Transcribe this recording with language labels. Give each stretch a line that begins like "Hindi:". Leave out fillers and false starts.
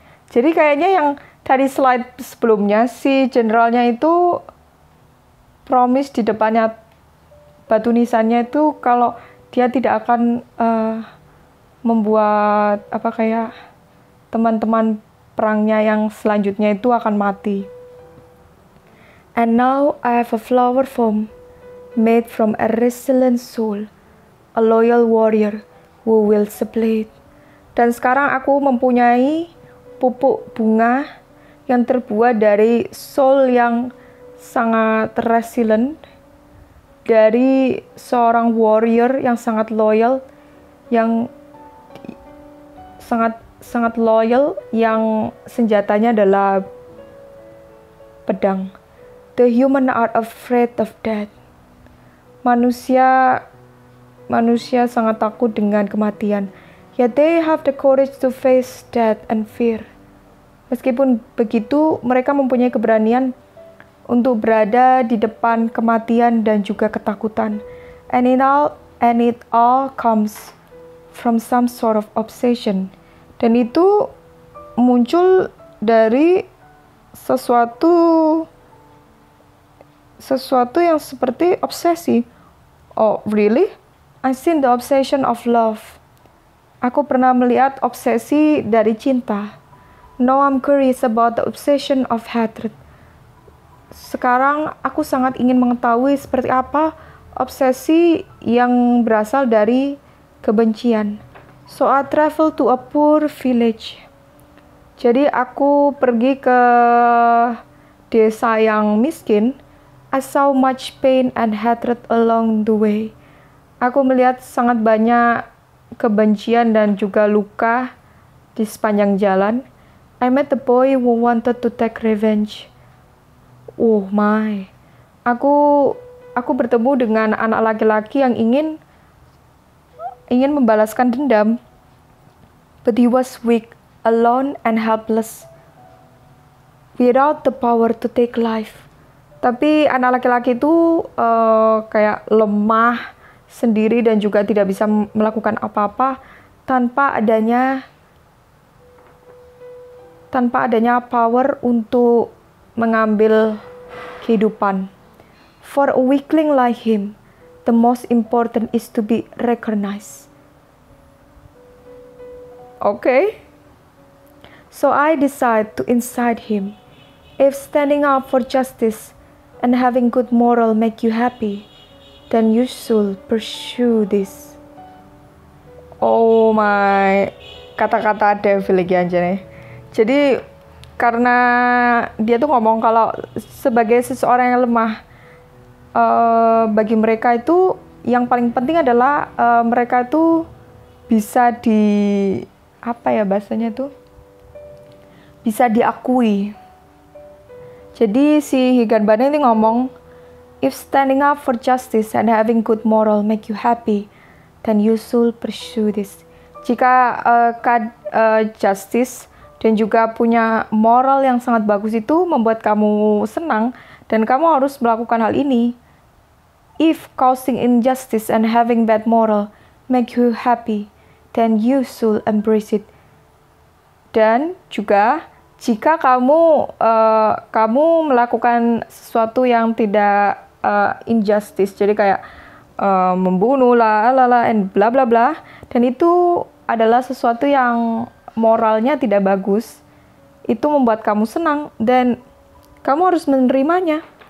Indonesian: Jadi kayaknya yang dari slide sebelumnya si generalnya itu promise di depannya batu nisannya itu kalau dia tidak akan membuat apa kayak teman-teman perangnya yang selanjutnya itu akan mati.
English: And now I have a flower foam made from a resilient soul, a loyal warrior who will supply it.
Indonesian: Dan sekarang aku mempunyai pupuk bunga yang terbuat dari soul yang sangat resilient, dari seorang warrior yang sangat loyal, yang sangat loyal, yang senjatanya adalah pedang.
English: The human art afraid of death.
Indonesian: Manusia sangat takut dengan kematian.
English: Yet they have the courage to face death and fear.
Indonesian: Meskipun begitu, mereka mempunyai keberanian untuk berada di depan kematian dan juga ketakutan.
English: And it all comes from some sort of obsession.
Indonesian: Dan itu muncul dari sesuatu yang seperti obsesi.
English: Oh, really? I've seen the obsession of love.
Indonesian: Aku pernah melihat obsesi dari cinta.
English: Now I'm curious about the obsession of hatred.
Indonesian: Sekarang aku sangat ingin mengetahui seperti apa obsesi yang berasal dari kebencian.
English: So I travel to a poor village.
Indonesian: Jadi aku pergi ke desa yang miskin.
English: I saw much pain and hatred along the way.
Indonesian: Aku melihat sangat banyak kebencian dan juga luka di sepanjang jalan.
English: I met a boy who wanted to take revenge. Oh my.
Indonesian: Aku bertemu dengan anak laki-laki yang ingin membalaskan dendam.
English: But he was weak, alone, and helpless. Without the power to take life.
Indonesian: Tapi anak laki-laki itu kayak lemah sendiri dan juga tidak bisa melakukan apa-apa tanpa adanya power untuk mengambil kehidupan.
English: For a weakling like him, the most important is to be recognized. Okay. So I decide to inside him. If standing up for justice and having good moral make you happy, then you should pursue this. Oh my,
Indonesian: kata-kata devil lagi aja nih. Jadi karena dia tuh ngomong kalau sebagai seseorang yang lemah, bagi mereka itu yang paling penting adalah mereka itu bisa di apa ya bahasanya tuh, bisa diakui. Jadi si Higan Bane ini ngomong, if standing up for justice and having good moral make you happy, then you should pursue this. Jika justice dan juga punya moral yang sangat bagus itu membuat kamu senang, dan kamu harus melakukan hal ini.
English: If causing injustice and having bad moral make you happy, then you should embrace it.
Indonesian: Dan juga, jika kamu kamu melakukan sesuatu yang tidak injustice, jadi kayak membunuh lah, lala, and bla bla bla, dan itu adalah sesuatu yang moralnya tidak bagus, itu membuat kamu senang, dan kamu harus menerimanya.